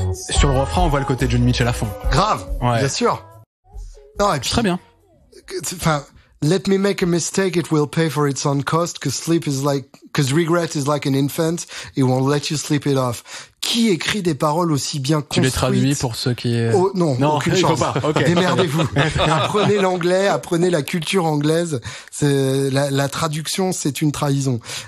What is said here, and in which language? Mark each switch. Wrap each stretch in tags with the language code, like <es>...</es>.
<fr>Sur le refrain, on voit le côté de John Mitchell à fond. Grave, ouais. Bien sûr. Non, et puis, très bien.</fr> <en>Enfin, let me make a mistake, it will pay for its own cost, cause regret is like an infant, it won't let you sleep it off.</en> <fr>Qui écrit des paroles aussi bien construites? Tu les traduis pour ceux qui... Non, aucune chance. Non, il faut pas. Okay. Démerdez-vous. Apprenez l'anglais, apprenez la culture anglaise. La traduction, c'est une trahison.</fr>